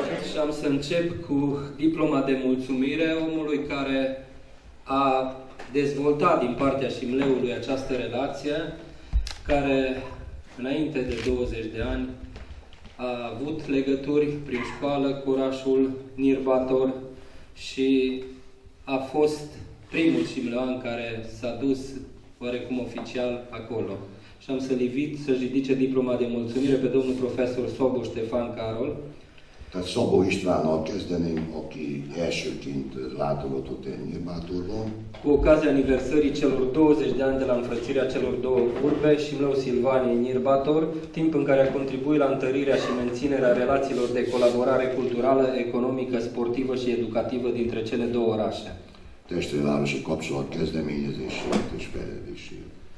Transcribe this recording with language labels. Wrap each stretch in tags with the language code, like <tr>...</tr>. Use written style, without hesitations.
<ro>Și am să încep cu diploma de mulțumire omului care a dezvoltat din partea Șimleului această relație, care înainte de 20 de ani a avut legături prin școală cu orașul Nirbator și a fost primul șimleoan care s-a dus oarecum oficial acolo. Și am să-l invit să-și ridice diploma de mulțumire pe domnul profesor Szabó Stefán Károly.</ro> <hu>A Szabó Istvánnal kezdeném, aki elsőként látogatott el Nirbátorban.</hu> <ro>Cu ocazia aniversării celor 20 de ani de la înfrățirea celor două urbe, Șimleu Silvaniei Nirbator, timp în care a contribuit la întărirea și menținerea relațiilor de colaborare culturală, economică, sportivă și educativă dintre cele două orașe.</ro> <hu>Testvérvárosi kapcsolat kezdeményezését és fejlődését.</hu>